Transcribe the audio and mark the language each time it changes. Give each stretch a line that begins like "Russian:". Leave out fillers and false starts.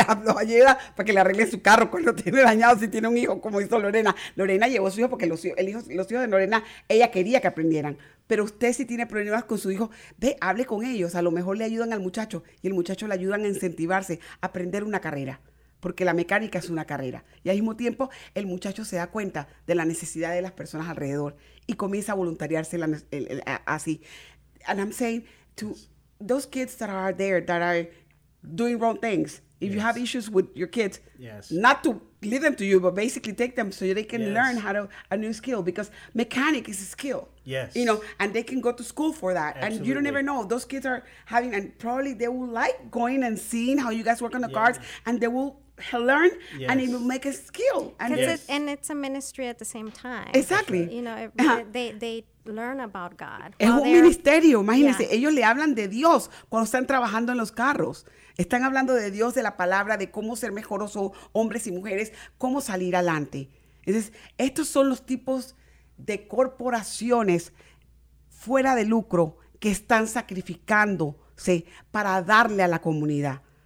Spanish: lo ayuda para que le arregle su carro cuando tiene dañado, si tiene un hijo, como hizo Lorena llevó a su hijo porque los hijos de Lorena, ella quería que aprendieran, pero usted si tiene problemas con su hijo, ve, hable con ellos, a lo mejor le ayudan al muchacho y el muchacho le ayudan a incentivarse a aprender una carrera, porque la mecánica es una carrera, y al mismo tiempo el muchacho se da cuenta de la necesidad de las personas alrededor y comienza a voluntariarse así.
English: And I'm saying to those kids that are there that are doing wrong things, if yes. you have issues with your kids, yes. not to leave them to you, but basically take them so they can yes. learn how to a new skill, because mechanic is a skill. Yes. You know, and they can go to school for that. Absolutely. And you don't ever know. Those kids are having, and probably they will like going and seeing how you guys work on the yeah. cars, and they will learn, yes. and it will make a skill. And, yes. and it's a ministry at the same time. Exactly. You know, they learn about God.
Spanish: Es un ministerio, imagínense. Yeah. Ellos le hablan de Dios cuando están trabajando en los carros. Están hablando de Dios, de la palabra, de cómo ser mejores hombres y mujeres, cómo salir adelante. Entonces, estos son los tipos de corporaciones fuera de lucro que están sacrificándose para darle a la comunidad.